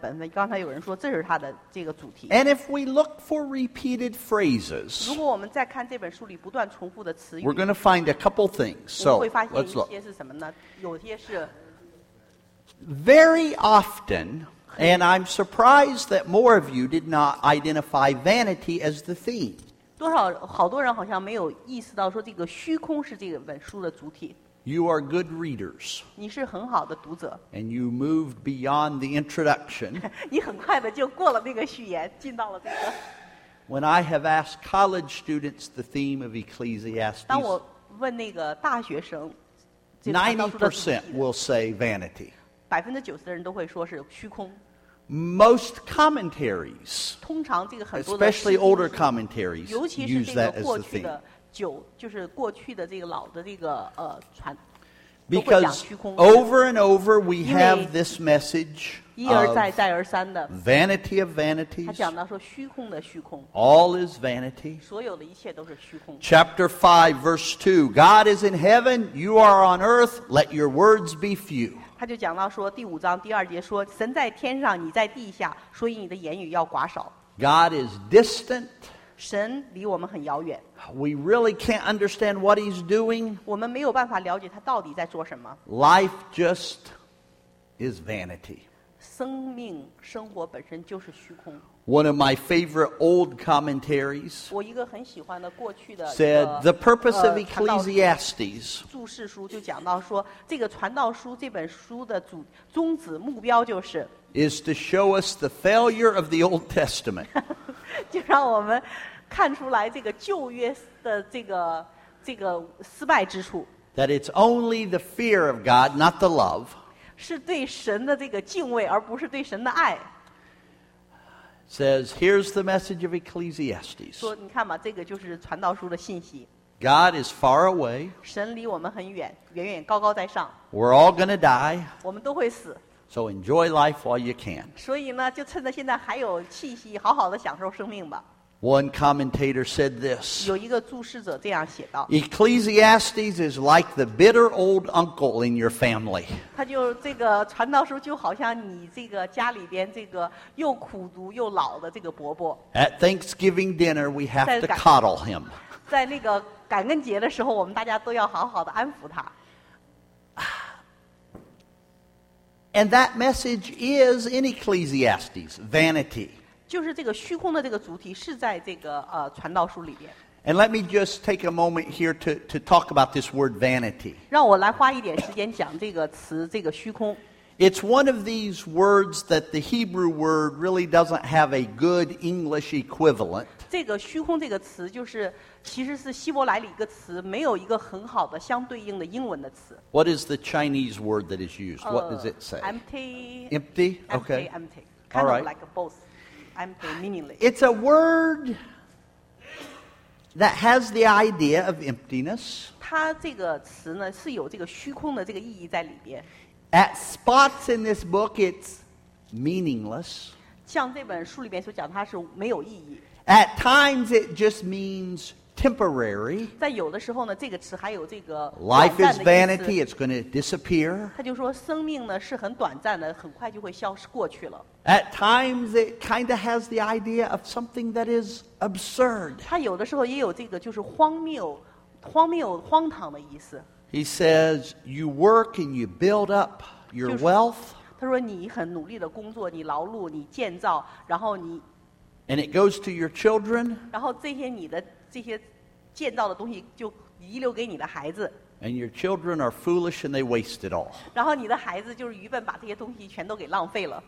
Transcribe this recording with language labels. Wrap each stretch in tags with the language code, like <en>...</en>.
<zh>遵守他的诫命，这是人所当尽的本分。刚才有人说，这是他的这个主题。</zh> <en>And if we look for repeated phrases,</en> <zh>如果我们再看这本书里不断重复的词语,</zh> <en>we're going to find a couple things. So, let's look.</en> <zh>有些是</zh> <en>very often, and I'm surprised that more of you did not identify vanity as the theme.</en> <zh>多少好多人好像没有意识到说这个虚空是这个本书的主体。</zh> <en>You are good readers.</en> <zh>你是很好的读者。</zh> <en>And you moved beyond the introduction.</en> <zh>你很快的就过了那个序言，进到了这个。</zh> <en>When I have asked college students the theme of Ecclesiastes,</en> <zh>当我问那个大学生</zh> <en>90% will say vanity.</en> <zh>90%的人都会说是虚空。</zh> <en>Most commentaries,</en> <zh>通常这个很多的</zh> <en>especially older commentaries,</en> <zh>尤其是这个过去的 就是过去的这个老的这个传</zh> <en>Because over and over we have this message</en> <zh>一而再再而三的</zh> <en>vanity of vanities,</en> <zh>他讲到说虚空的虚空</zh> <en>all is vanity,</en> <zh>所有的一切都是虚空</zh> <en>Chapter 5 verse 2, God is in heaven, you are on earth, let your words be few.</en> <zh>他就讲到说第五章第二节说神在天上你在地下所以你的言语要寡少</zh> <en>God is distant</en> <zh>神离我们很遥远</zh> <en>We really can't understand what he's doing</en> <zh>我们没有办法了解他到底在做什么</zh> <en>Life just is vanity</en> <zh>生命生活本身就是虚空</zh> <en>One of my favorite old commentaries</en> <zh>我一个很喜欢的过去的</zh> <en>said the purpose of Ecclesiastes</en> <zh>注释书就讲到说这个传道书这本书的主宗旨目标就是</zh> <en>is to show us the failure of the Old Testament</en> <zh>就让我们看出来这个旧约的这个失败之处</zh> <en>that it's only the fear of God not the love</en> <zh>是对神的这个敬畏而不是对神的爱</zh> <en>says here's the message of Ecclesiastes</en> <zh>说你看吧这个就是传道书的信息</zh> <en>God is far away</en> <zh>神离我们很远远远高高在上</zh> <en>we're all gonna die</en> <zh>我们都会死</zh> <en>so enjoy life while you can</en> <zh>所以呢就趁着现在还有气息好好的享受生命吧</zh> <en>one commentator said this</en> <zh>有一个注释者这样写道</zh> <en>Ecclesiastes is like the bitter old uncle in your family</en> <zh>他就这个传道书就好像你这个家里边这个又苦读又老的这个伯伯</zh> <en>at Thanksgiving dinner we have to coddle him</en> <zh>在那个感恩节的时候我们大家都要好好的安抚他</zh> <en>and that message is in Ecclesiastes vanity</en> <zh>就是这个虚空的这个主题是在这个传道书里边。</zh> <en>And let me just take a moment here to talk about this word vanity.</en> <zh>让我来花一点时间讲这个词，这个虚空。</zh> <en>It's one of these words that the Hebrew word really doesn't have a good English equivalent.</en> <zh>这个虚空这个词就是其实是希伯来里一个词，没有一个很好的相对应的英文的词。</zh> <en>What is the Chinese word that is used? What does it say? Empty. Empty. Okay. Empty. Kind of like both. It's a word that has the idea of emptiness.</en> <zh>它这个词呢是有这个虚空的这个意义在里边。</zh> <en>At spots in this book, it's meaningless.</en> <zh>像这本书里边所讲，它是没有意义。</zh> <en>At times, it just means temporary.</en> <zh>在有的时候呢，这个词还有这个短暂的意思。</zh> <en>Life is vanity; it's going to disappear.</en> <zh>它就说生命呢是很短暂的，很快就会消失过去了。</zh> <en>At times, it kind of has the idea of something that is absurd.</en> <zh>它有的时候也有这个，就是荒谬、荒谬、荒唐的意思。</zh> <en>He says, "You work and you build up your wealth."</en> <zh>他说你很努力的工作，你劳碌，你建造，然后你。</zh> <en>And it goes to your children.</en> <zh>然后这些你的这些建造的东西就遗留给你的孩子。</zh> <en>And your children are foolish and they waste it all.</en> <zh>然后你的孩子就是愚笨把这些东西全都给浪费了。</zh>